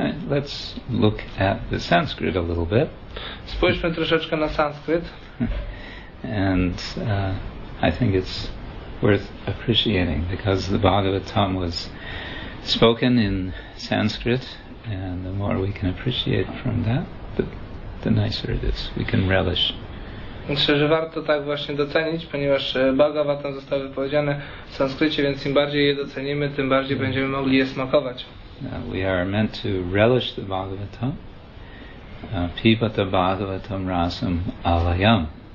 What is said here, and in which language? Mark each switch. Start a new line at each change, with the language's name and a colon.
English: Let's look at the Sanskrit a little bit.
Polish: Spójrzmy troszeczkę na Sanskryt.
English: And I think it's worth appreciating because the Bhagavatam was spoken in Sanskrit, and the more we can appreciate from that, the nicer it is. We can relish.
Polish: Myślę, że warto tak właśnie docenić, ponieważ Bhagavatam został wypowiedziany w Sanskrycie, więc im bardziej je docenimy, tym bardziej będziemy mogli je smakować.
English: We are meant to relish the Bhagavatam.
Sanskrit: Pipata Bhagavatam Rasam Alayam.